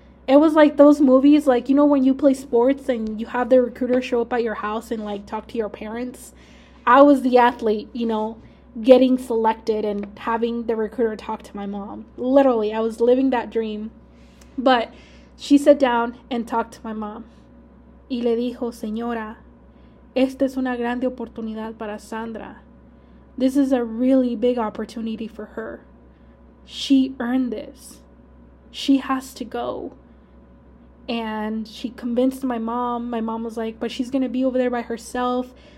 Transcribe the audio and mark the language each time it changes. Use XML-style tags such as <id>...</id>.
<en>It was like those movies, like, you know, when you play sports and you have the recruiter show up at your house and, like, talk to your parents. I was the athlete, you know, getting selected and having the recruiter talk to my mom. Literally, I was living that dream. But she sat down and talked to my mom.</en> <es>Y le dijo, señora, esta es una grande oportunidad para Sandra.</es> <en>This is a really big opportunity for her. She earned this. She has to go. And she convinced my mom. My mom was like, but she's going to be over there by herself.</en>